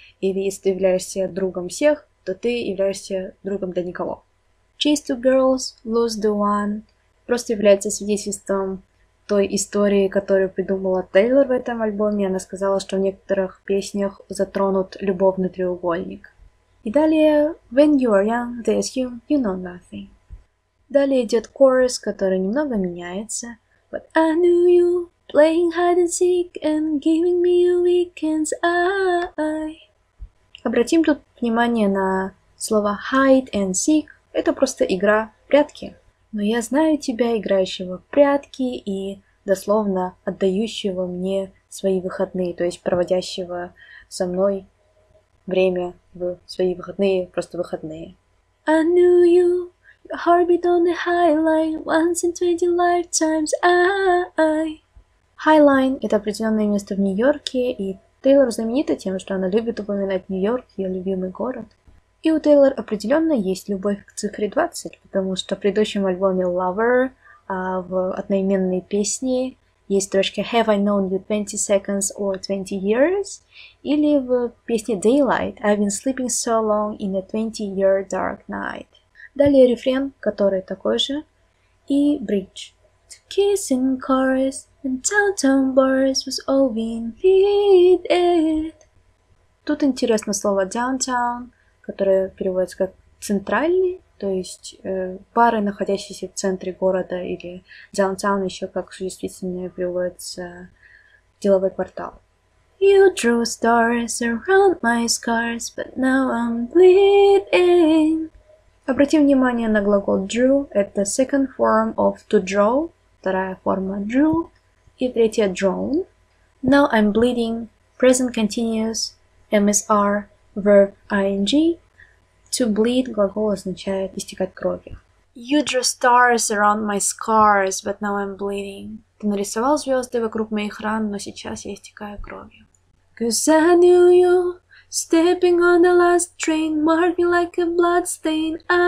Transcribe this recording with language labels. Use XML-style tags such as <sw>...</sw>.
<ru>Или если ты являешься другом всех, то ты являешься другом для никого.</ru> <en>Chase two girls, lose the one.</en> <ru>Просто является свидетельством той истории, которую придумала Тейлор в этом альбоме. Она сказала, что в некоторых песнях затронут любовный треугольник. И далее,</ru> <en>when you are young, they assume you know nothing.</en> <ru>Далее идет chorus, который немного меняется.</ru> <en>But I knew you, playing hide and seek and giving me a weekend's eye.</en> <ru>Обратим тут внимание на слово hide and seek. Это просто игра в прятки. Но я знаю тебя, играющего в прятки и дословно отдающего мне свои выходные, то есть проводящего со мной время в свои выходные, просто выходные.</ru> <en>I knew you, your heartbeat on the highline, once in 20 lifetimes I.</en> <ru>Highline — это определенное место в Нью-Йорке, и Тейлор знаменита тем, что она любит упоминать Нью-Йорк, ее любимый город. И у Тейлор определенно есть любовь к цифре 20, потому что в предыдущем альбоме Lover в одноименной песне есть строчка</ru> <en>Have I known you 20 seconds or 20 years?</en> <ru>Или в песне</ru> <en>Daylight I've been sleeping so long in a 20-year dark night.</en> <ru>Далее рефрен, который такой же. И</ru> <en>bridge. To kiss in chorus and downtown bars was all we needed.</en> <ru>Тут интересно слово downtown, которое переводится как центральный, то есть бары, находящиеся в центре города, или downtown еще как существительное переводится в деловой квартал.</ru> <en>You drew stars around my scars, but now I'm bleeding.</en> <ru>Обратим внимание на глагол drew. Это</ru> <en>second form of to draw.</en> <ru>Вторая форма drew. И третья drawn.</ru> <en>Now I'm bleeding. Present continuous. MSR. Verb ing.</en> <ru>To bleed, глагол означает истекать кровью.</ru> <en>You drew stars around my scars, but now I'm bleeding.</en> <ru>Ты нарисовал звезды вокруг моих ран, но сейчас я истекаю кровью.</ru> <en>Cause I knew you, stepping on the last train, marked me like a bloodstain.</en>